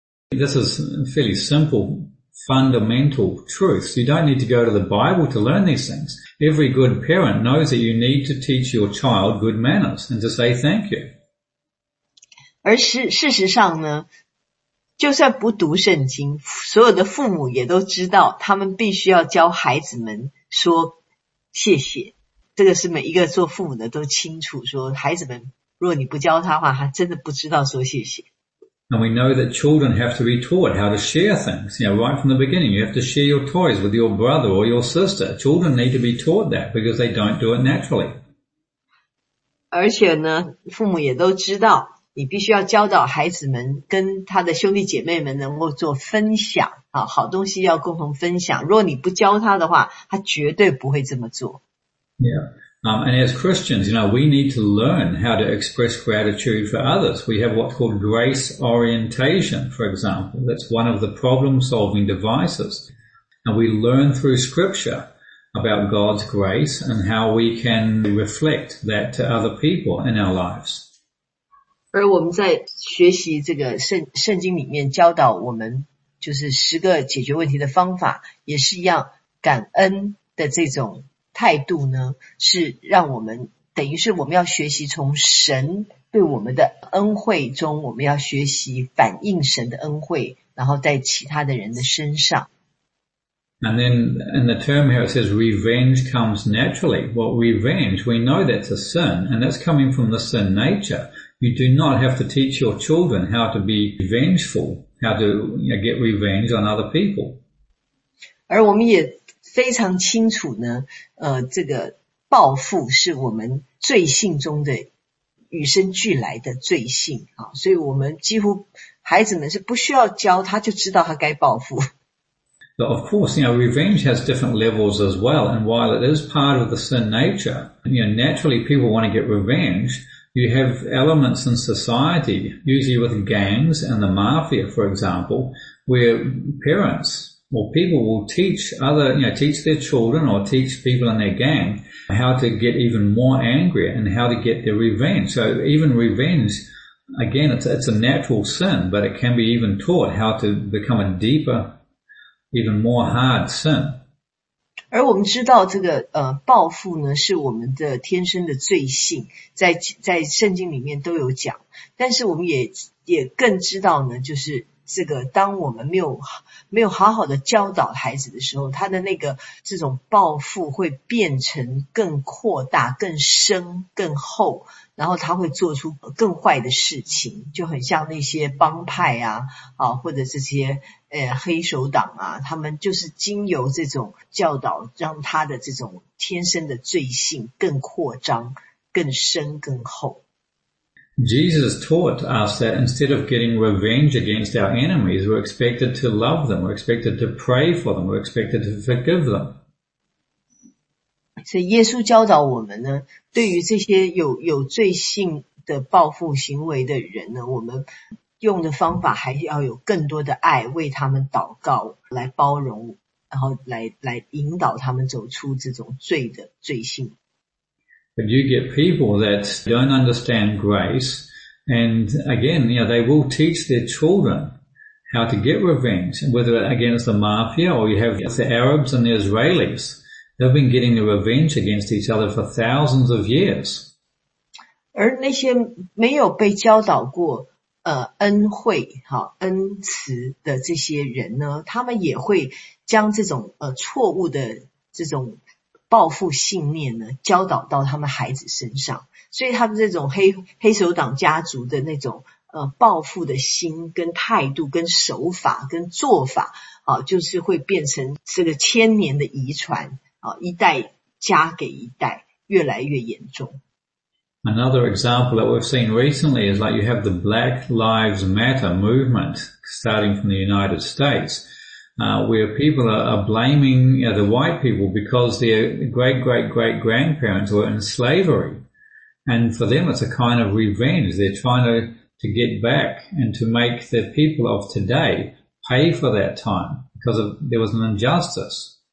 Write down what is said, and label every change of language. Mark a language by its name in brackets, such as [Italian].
[English] This is fairly simple, fundamental truths. You don't need to go to the Bible to learn these things. Every good parent knows that you need to teach your child good manners and to say thank you. [Chinese] 而事实上呢，就算不读圣经，所有的父母也都知道，他们必须要教孩子们说谢谢。这个是每一个做父母的都清楚，说孩子们，如果你不教他的话，他真的不知道说谢谢。 [English] And we know that children have to be taught how to share things. You know, right from the beginning, you have to share your toys with your brother or your sister. Children need to be taught that because they don't do it naturally. [Chinese] 而且呢，父母也都知道，你必须要教导孩子们跟他的兄弟姐妹们能够做分享，好东西要共同分享。如果你不教他的话，他绝对不会这么做。 [English] Yeah. And as Christians, you know, we need to learn how to express gratitude for others. We have what's called grace orientation, for example. That's one of the problem-solving devices. And we learn through scripture about God's grace and how we can reflect that to other people in our lives. [Chinese] 而我们在学习这个圣经里面教导我们就是十个解决问题的方法也是一样感恩的这种态度呢是让我们等于是我们要学习从神对我们的恩惠中我们要学习反映神的恩惠然后在其他的人的身上 [English] And then in the term here it says revenge comes naturally Well revenge we know that's a sin and that's coming from the sin nature You do not have to teach your children how to be vengeful how to get revenge on other people [Chinese] 而我们也非常清楚呢这个报复是我们罪性中的与生俱来的罪性所以我们几乎孩子们是不需要教他就知道他该报复。 [English] But of course, you know, revenge has different levels as well, and while it is part of the sin nature, you know, naturally people want to get revenge, you have elements in society, usually with gangs and the mafia, for example, where parents Well, people will teach other, you know, teach their children or teach people in their gang how to get even more angry and how to get their revenge. So even revenge, again, it's a natural sin, but it can be even taught how to become a deeper, even more hard sin. [Chinese] 而我们知道这个报复呢是我们的天生的罪性，在圣经里面都有讲。但是我们也更知道呢，就是这个当我们没有好好的教导孩子的时候，他的那个这种报复会变成更扩大、更深、更厚，然后他会做出更坏的事情，就很像那些帮派啊或者这些黑手党啊，他们就是经由这种教导，让他的这种天生的罪性更扩张、更深、更厚。 [English] Jesus taught us that instead of getting revenge against our enemies, we're expected to love them, we're expected to pray for them, we're expected to forgive them. [Chinese] 所以耶稣教导我们呢，对于这些有罪性的报复行为的人呢，我们用的方法还要有更多的爱，为他们祷告，来包容，然后来引导他们走出这种罪的罪性。 [English] But you get people that don't understand grace, and again, you know, they will teach their children how to get revenge, whether against the mafia or you have the Arabs and the Israelis. They've been getting the revenge against each other for thousands of years. [Chinese] 而那些没有被教导过恩惠恩慈的这些人呢，他们也会将这种错误的这种报复信念呢教导到他们孩子身上，所以他们这种黑手党家族的那种报复的心跟态度跟手法跟做法就是会变成这个千年的遗传一代加给一代，越来越严重。 [English] Another example that we've seen recently is like you have the Black Lives Matter movement starting from the United States, where people are blaming the white people because their great-great-great-grandparents were in slavery. And for them, it's a kind of revenge. They're trying to get back and to make the people of today pay for that time because there was an injustice.